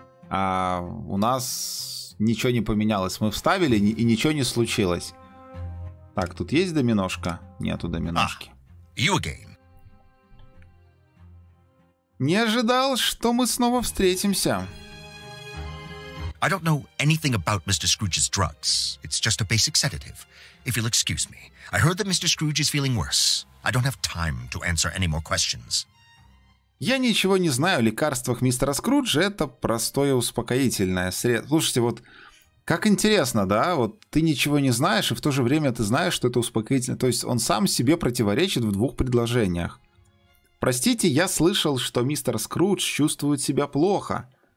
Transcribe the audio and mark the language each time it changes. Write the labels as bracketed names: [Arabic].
[Russian] А у нас ничего не поменялось. Мы вставили, и ничего не случилось. Так, тут есть доминошка? Нету доминошки. Не ожидал, что мы снова встретимся. [English] I don't know anything about Mr. Scrooge's drugs. It's just a basic sedative. If you'll excuse me, I heard that Mr. Scrooge is feeling worse. I don't have time to answer any more questions. [Russian] Я ничего не знаю о лекарствах мистера Скруджа. Это простое успокоительное средство. Слушайте, вот как интересно, да? Вот ты ничего не знаешь, и в то же время ты знаешь, что это успокоительное. То есть он сам себе противоречит в двух предложениях. Простите, я слышал, что мистер Скрудж чувствует себя плохо.